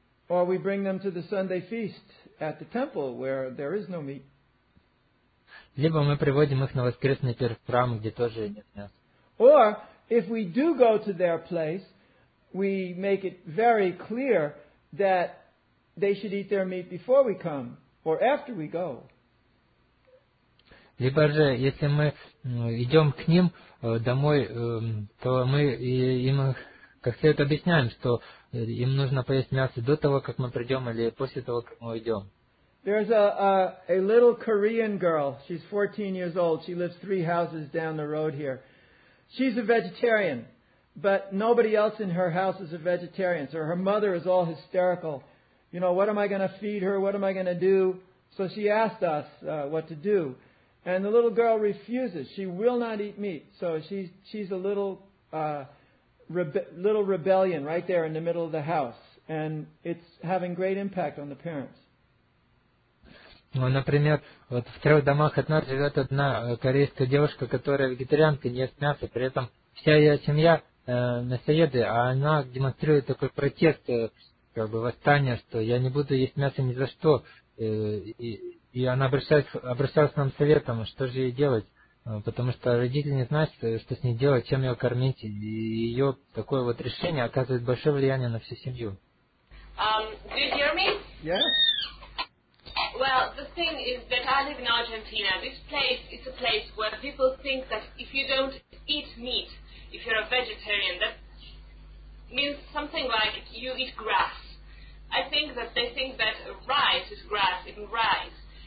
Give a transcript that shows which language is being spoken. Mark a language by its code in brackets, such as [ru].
[en] Or we bring them to the Sunday feast at the temple where there is no meat. [ru] Либо мы приводим их на воскресный пир в храм, где тоже нет мяса. [en] Or if we do go to their place, we make it very clear that they should eat their meat before we come or after we go. [ru] Либо же, если мы идем к ним домой, то мы им как следует объясняем, что им нужно поесть мясо до того, как мы придем, или после того, как мы уйдем. [en] There's a little Korean girl. She's 14 years old. She lives three houses down the road here. She's a vegetarian, but nobody else in her house is a vegetarian. So her mother is all hysterical. You know, what am I going to feed her? What am I going to do? So she asked us what to do. And the little girl refuses. She will not eat meat. So she's a little little rebellion right there in the middle of the house, and it's having great impact on the parents. [ru] Ну, например, вот в трех домах от нас живет одна корейская девушка, которая вегетарианка, не ест мясо, при этом вся ее семья мясоеды, а она демонстрирует такой протест, как бы восстание, что я не буду есть мясо ни за что, и она обращалась к нам советом, что же ей делать. Потому что родители не знают, что с ней делать, чем ее кормить. И ее такое вот решение оказывает большое влияние на всю семью. [en] Do you hear me? Yes. Well, the thing is that I live in Argentina. This place is a place where people think that if you don't eat meat, if you're a vegetarian, that means something like you eat grass. I think that they think that rice is grass, even rice.